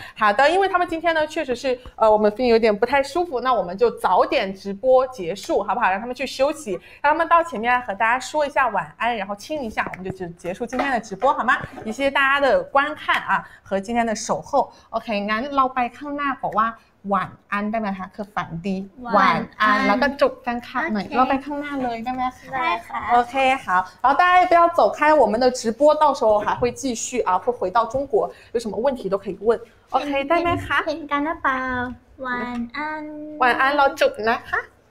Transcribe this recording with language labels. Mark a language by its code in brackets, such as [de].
[zh] 好的，因为他们今天呢，确实是我们Finn有点不太舒服，那我们就早点直播结束，好不好？让他们去休息，让他们到前面来和大家说一下晚安，然后亲一下，我们就结束今天的直播，好吗？也谢谢大家的观看啊和今天的守候。 OK， 俺老白康那宝哇。晚安 [th] ได้ไหมคะคือฝันดี [zh] 晚安 [th] แล้วก็จบกันค่ะหน่อยเราไปข้างหน้าเลยได้ไหมคะ ได้ค่ะ โอเคค่ะแล้วได้ [zh] 不要走开我们的直播到时候还会继续啊会回到中国有什么问题都可以问 OK [th] ได้ไหมคะ เห็นกันนะเปล่า [zh] 晚安晚安 [th] เราจบนะคะ